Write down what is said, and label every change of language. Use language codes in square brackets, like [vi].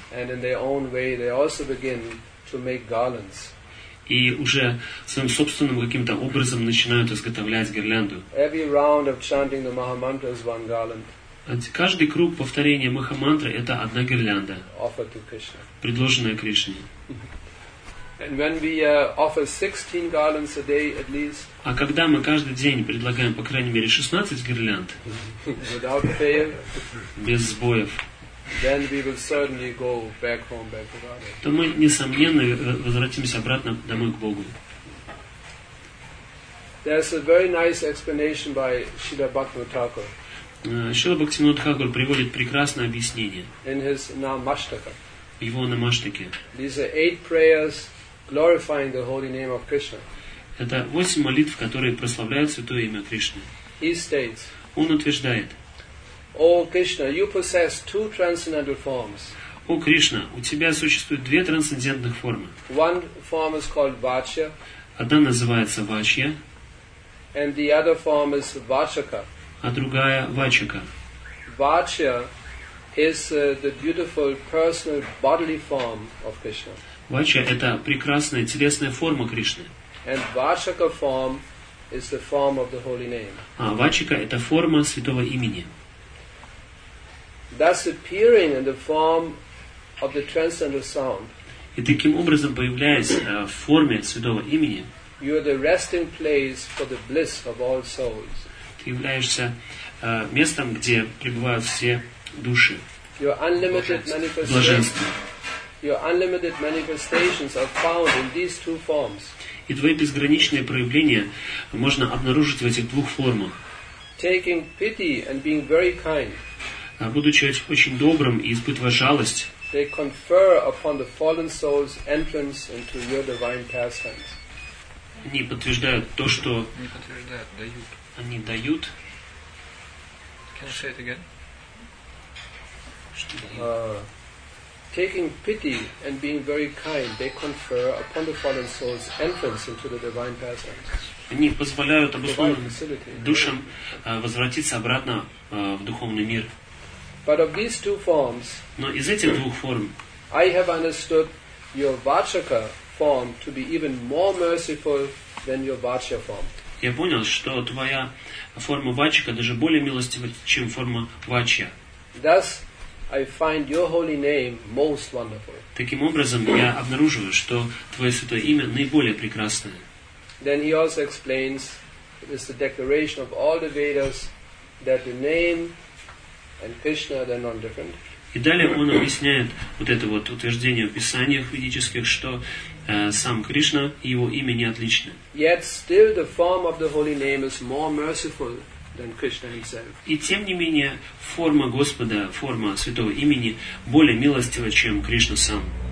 [en] And in their own way, they also begin to make garlands. [ru] И уже своим собственным каким-то образом начинают изготовлять гирлянду. [en] Every round of chanting the Maha Mantra is one garland. [ru] Каждый круг повторения Маха Мантры это одна гирлянда. [en] Offered to Krishna. [ru] Предложенная Кришне. [en] And when we offer 16 garlands a day at least. [ru] А когда мы каждый день предлагаем по крайней мере 16 гирлянд. [en] Without fail. [ru] Без сбоев. [en] Then we will certainly go back home, back to God. [ru] То мы несомненно возвратимся обратно домой к Богу. [en] There's a very nice explanation by Śrīla Bhaktivinoda Thakura. [ru] Śrīla Bhaktivinoda Thakura приводит прекрасное объяснение. [en] In his Namashtaka. [ru] В его Намаштаке. [en] These are 8 prayers glorifying the holy name of Krishna. [ru] Это 8 молитв, которые прославляют святое имя Кришны. [en] He states. [ru] Он утверждает. [en] О Кришна, you possess two transcendental forms. [ru] О Кришна, у тебя существует две трансцендентных формы. [en] One form is called Vachya. [ru] Одна называется Vachya. [en] And the other form is Vachaka. [ru] А другая Vachaka. [en] Vachya is the beautiful personal bodily form of Krishna. [ru] Vachya это прекрасная телесная форма Кришны. [en] And Vachaka form is the form of the holy name. [ru] А Vachaka это форма святого имени. [en] Thus appearing in the form of the transcendental sound. [ru] И таким образом появляясь в форме святого имени. [en] You are the resting place for the bliss of all souls. [ru] Ты являешься местом, где пребывают все души. [en] Your unlimited manifestations. Your unlimited manifestations are found in these two forms. [ru] И твои безграничные проявления можно обнаружить в этих двух формах. [en] Taking pity and being very kind. [ru] Будучи очень добрым и испытывая жалость, [en] they confer upon the fallen soul's entrance into your divine pastimes. [ru] Они подтверждают то, что... Не подтверждают, дают. Они дают. [en] Can you say it again? Taking pity and being very kind, they confer upon the fallen soul's entrance into the divine pastimes. [ru] Они позволяют обусловленным душам возвратиться обратно в духовный мир. [en] But of these two forms, [ru] но из этих двух форм, [en] I have understood your Vachaka form to be even more merciful than your Vachya form. [ru] Я понял, что твоя форма Vachaka даже более милостива, чем форма Vachya. [en] Thus, I find your holy name most wonderful. [ru] Таким образом, я обнаруживаю, что твое святое имя наиболее прекрасное. [en] Then he also explains, it is the declaration of all the Vedas that the name and Krishna are non-different. [ru] И далее он объясняет вот это вот утверждение в писаниях ведических, что сам Кришна и его имя не отличны. [en] Yet still the form of the holy name is more merciful than Krishna himself. [ru] И тем не менее форма Господа, форма святого имени более милостива, чем Кришна сам.